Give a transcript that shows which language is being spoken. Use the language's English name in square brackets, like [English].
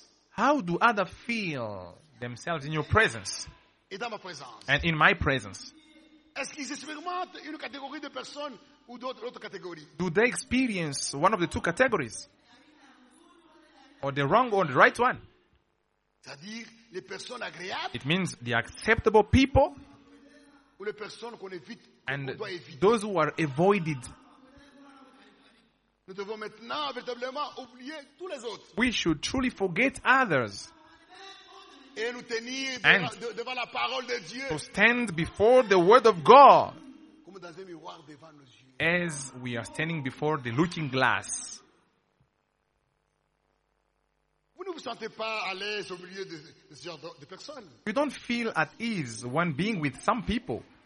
[English] How do others feel themselves in your presence? [French] Et dans ma présence. [English] And in my presence. [French] Est-ce qu'ils expérimentent une catégorie de personnes ou d'autres catégories? [English] Do they experience one of the two categories? Or the wrong or the right one? [French] C'est-à-dire les personnes agréables. [English] It means the acceptable people. [French] Ou les personnes qu'on évite, [English] and [French] qu'on doit éviter. [English] Those who are avoided. [French] Nous devons maintenant véritablement oublier tous les autres. [English] We should truly forget others. [French] Et nous tenir devant la parole de Dieu. [English] To stand before the word of God. [French] Comme dans un miroir devant nos yeux. [English] As we are standing before the looking glass. [French] Vous ne vous sentez pas à l'aise au milieu de ce genre de personnes. [English] You don't feel at ease when being with some people.